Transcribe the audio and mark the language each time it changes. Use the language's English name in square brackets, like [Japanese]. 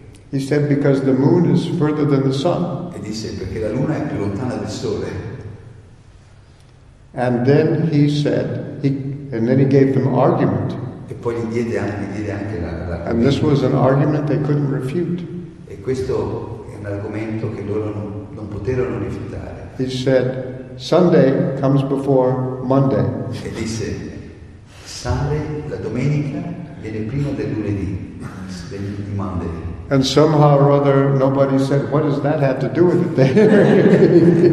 [English] He said because the moon is further than the sun. [Italian] E disse perché la luna è più lontana del sole. [English] And then he said, he gave them argument. [Italian] E poi gli diede anche [English] and this was an argument they couldn't refute. [Italian] E questo è un argomento che loro non poterono rifiutare. [English] He said, Sunday comes before Monday. [Italian] E disse, Sunday, la domenica, viene prima del lunedì, di Monday. [English] And somehow or other, nobody said, what does that have to do with it?